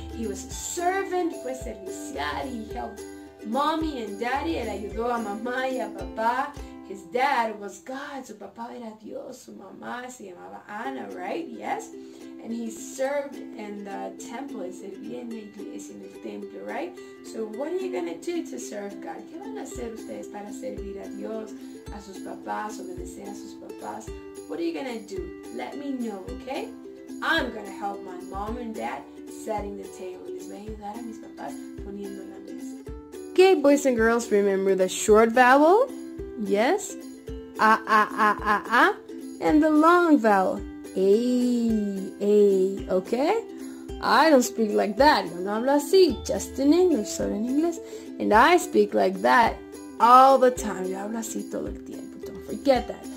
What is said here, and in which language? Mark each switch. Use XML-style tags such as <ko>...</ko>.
<en>He was a servant.</en> <es>Fue servicial.</es> <en>He helped Mommy and Daddy,</en> <es>él ayudó a mamá y a papá.</es> <en>His dad was God,</en> <es>su papá era Dios, su mamá se llamaba Ana,</es> <en>right? Yes? And he served in the temple, he</en> <es>servía en la iglesia, en el templo,</es> <en>right? So what are you going to do to serve God?</en> <es>¿Qué van a hacer ustedes para servir a Dios, a sus papás, obedecer a sus papás?</es> <en>What are you going to do? Let me know, okay? I'm going to help my mom and dad setting the table.</en> <es>Les voy a ayudar a mis papás poniendo la mesa.</es> <en>Okay, boys and girls, remember the short vowel, yes, and the long vowel, a, okay? I don't speak like that,</en> <es>yo no hablo así,</es> <en>just in English,</en> <es>solo en inglés,</es> <en>and I speak like that all the time,</en> <es>yo hablo así todo el tiempo,</es> <en>don't forget that.</en>